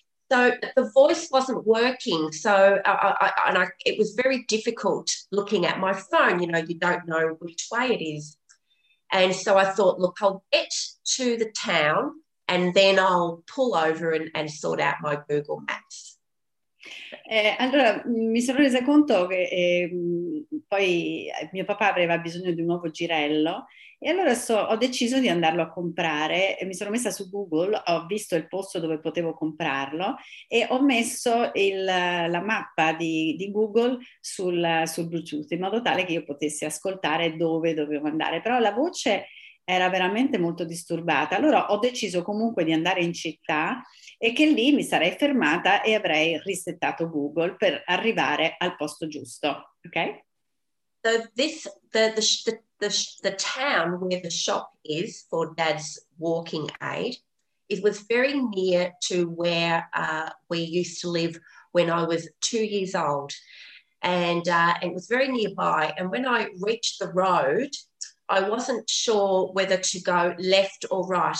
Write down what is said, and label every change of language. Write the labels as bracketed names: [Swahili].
[English] So the voice wasn't working. So it was very difficult looking at my phone. You know, you don't know which way it is. And so I thought, look, I'll get to the town and then I'll pull over and sort out my Google Maps. [Italian] Allora mi sono resa conto che poi mio papà aveva bisogno di un nuovo girello e allora ho deciso di andarlo a comprare e mi sono messa su Google, ho visto il posto dove potevo comprarlo e ho messo la mappa di Google sul Bluetooth in modo tale che io potessi ascoltare dove dovevo andare, però la voce era veramente molto disturbata. Allora ho deciso comunque di andare in città e che lì mi sarei fermata e avrei risettato Google per arrivare al posto giusto, ok? [English] So this, the town where the shop is for Dad's walking aid, it was very near to where we used to live when I was 2 years old. And it was very nearby. And when I reached the road, I wasn't sure whether to go left or right.